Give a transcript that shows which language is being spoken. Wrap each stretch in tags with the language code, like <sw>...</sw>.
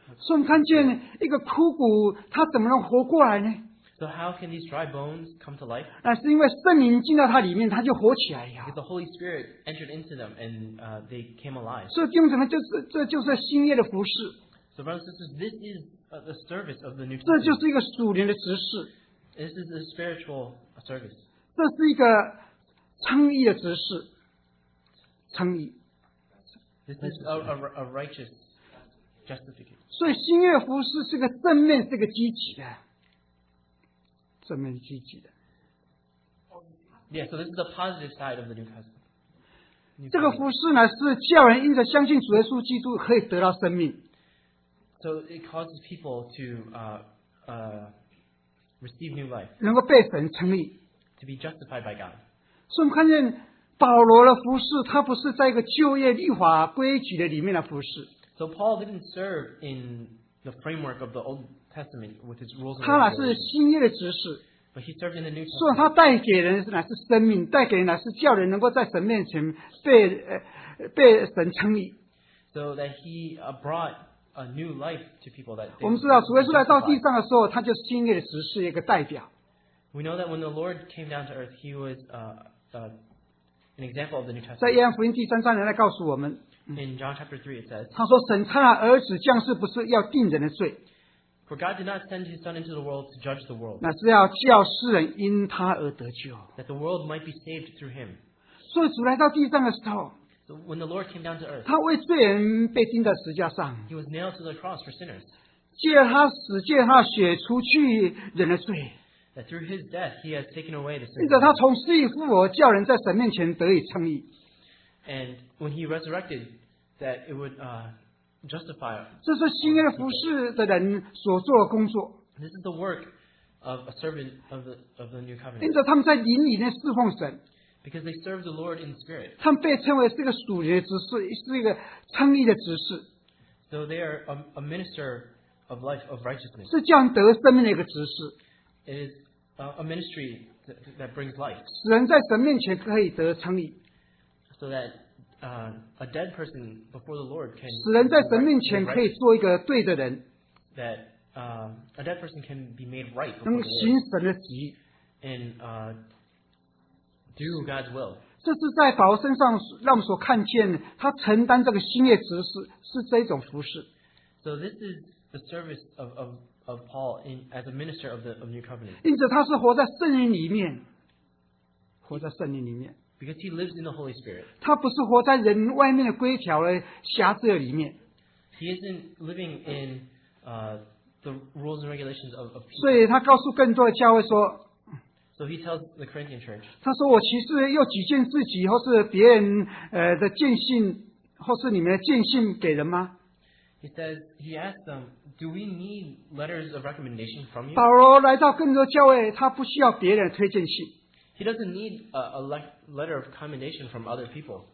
<zh>所以我们看见一个枯骨，它怎么能活过来呢？</zh> <en>So how can these dry bones come to life?</en> <zh>那是因为圣灵进到它里面，它就活起来了。</zh> <en>The Holy Spirit entered into them and they came alive.</en> <zh>所以弟兄姊妹，这就是新约的服事。</zh> <en>So brothers and sisters, this is the service of the new.</en> <zh>这就是一个属灵的执事。</zh> <en>This is a spiritual service.</en> <zh>这是一个称义的执事，称义。</zh> <en>This is a righteous justification.</en> <zh>所以新约服事是个正面，是个积极的，正面积极的。</zh> <en>Yeah, so this is the positive side of the New Testament.</en> <zh>这个服事呢，是叫人因着相信主耶稣基督可以得到生命。</zh> <en>So it causes people to receive new life.</en> <zh>能够被神称义。</zh> <en>To be justified by God.</en> <zh>所以我们看见保罗的服事，他不是在一个旧约律法规矩的里面的服事。</zh> <en>So Paul didn't serve in the framework of the Old Testament with his rules.</en> <zh>他乃是新约的执事。</zh> <en>But he served in the New Testament.</en> <zh>所以他带给人乃是生命，带给人乃是叫人能够在神面前被神称义。</zh> <en>So that he brought a new life to people that.</en> <zh>我们知道主耶稣来到地上的时候，他就是新约的执事一个代表。</zh> <en>We know that when the Lord came down to earth, He was an example of the New Testament.</en> <zh>在约翰福音第三章里来告诉我们。</zh> <en>In John chapter 3 it says.</en> <zh>他说神差了儿子降世不是要定人的罪。</zh> <en>For God did not send His Son into the world to judge the world.</en> <zh>乃是要叫世人因他而得救。</zh> <en>That the world might be saved through Him.</en> <zh>所以主来到地上的时候。</zh> <en>So when the Lord came down to earth.</en> <zh>他为罪人被钉在十字架上。</zh> <en>He was nailed to the cross for sinners.</en> <zh>借他死借他血除去人的罪。</zh> <en>That through his death he has taken away the sin.</en> <zh>他从死里复活，叫人在神面前得以称义。</zh> <en>And when he resurrected, that it would justify.</en> <zh>这是新约服事的人所做的工作。</zh> <en>This is the work of a servant of the new covenant.</en> <zh>因着他们在灵里面侍奉神。</zh> <en>Because they serve the Lord in spirit.</en> <zh>他们被称为是一个属灵的执事，是一个称义的执事。</zh> <en>So they are a minister of life of righteousness.</en> <zh>是叫人得生命的一个执事。</zh> <en>It is a ministry that brings life.</en> <zh>使人在神面前可以得称义。</zh> <en>So that a dead person before the Lord can.</en> <zh>使人在神面前可以做一个对的人。</zh> <en>That a dead person can be made right.</en> <zh>能行神的旨意。</zh> <en>And do God's will.</en> <zh>这是在保罗身上让我们所看见，他承担这个新约职事是这种服事。</zh> <en>So this is the service of Paul in, as a minister of New Covenant.</en> <zh>因此他是活在圣灵里面，活在圣灵里面。</zh> <en>Because he lives in the Holy Spirit.</en> <zh>他不是活在人外面的规条的辖制里面。</zh> <en>He isn't living in the rules and regulations of people.</en> <zh>所以他告诉更多的教会说。</zh> <en>So he tells the Corinthian church.</en> <zh>他说我其实又举荐自己或是别人的荐信或是你们的荐信给人吗？</zh> <en>He says, he asked them, do we need letters of recommendation from you?</en> <zh>保罗来到更多教会，他不需要别人推荐信。</zh> <en>He doesn't need a letter of commendation from other people.</en>